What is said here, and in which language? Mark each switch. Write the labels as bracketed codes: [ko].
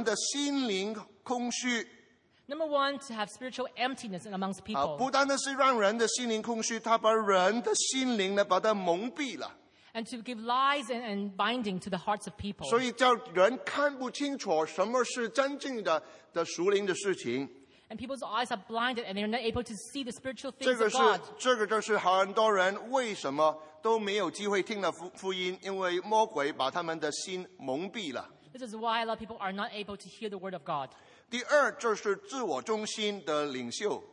[zh] 第一方面就是魔鬼的工作使人的心灵空虚。 [en] Number 1, to have spiritual emptiness amongst people. [zh] 不单的是让人的心灵空虚，他把人的心灵呢把它蒙蔽了。 [en] And to give lies and binding to the hearts of people. [zh] 所以叫人看不清楚什么是真正的属灵的事情。 [en] And people's eyes are blinded and they're not able to see the spiritual things of God. [zh] 这个就是很多人为什么都没有机会听了福音，因为魔鬼把他们的心蒙蔽了。 [en] This is why a lot of people are not able to hear the word of God. [zh] 第二就是自我中心的领袖。